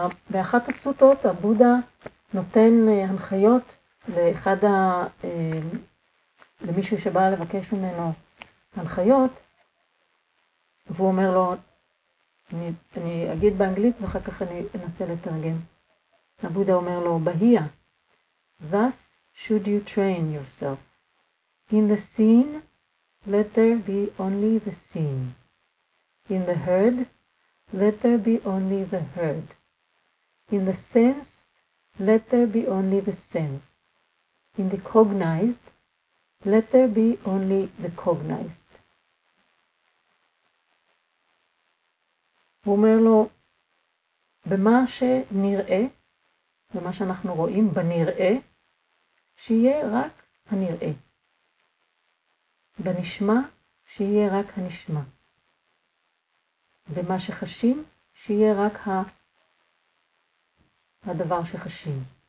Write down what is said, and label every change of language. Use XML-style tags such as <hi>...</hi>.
<he>באחת הסוטות הבודה נותן הנחיות לאחד ה... למישהו שבא לבקש ממנו הנחיות, והוא אומר לו, אני אגיד באנגלית ואחר כך אני אנסה לתרגם. הבודה אומר לו, בהיה,</he> <en>thus should you train yourself. In the seen, let there be only the seen. In the heard, let there be only the heard. In the sense, let there be only the sense. In the cognized, let there be only the cognized.</en> <he>הוא אומר לו, במה שנראה, במה שאנחנו רואים בנראה, שיהיה רק הנראה. בנשמע, שיהיה רק הנשמע. במה שחשים, שיהיה רק הדבר שחשים.</he>